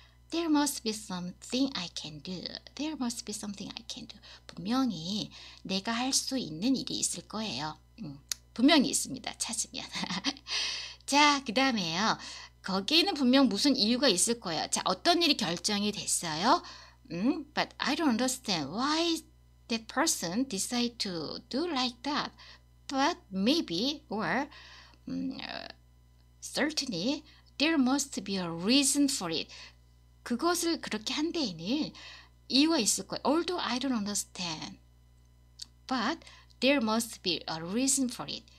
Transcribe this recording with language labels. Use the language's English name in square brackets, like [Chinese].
[English] There must be something I can do. There must be something I can do. [Korean] 분명히 내가 할 수 있는 일이 있을 거예요. 분명히 있습니다, 찾으면. 자, 그 다음에요. 거기에는 분명 무슨 이유가 있을 거예요. 자, 어떤 일이 결정이 됐어요? [English] But I don't understand why that person decide to do like that. But maybe or certainly there must be a reason for it. [Korean] 그것을 그렇게 한 데에는 이유가 있을 거예요. [English] Although I don't understand. But there must be a reason for it.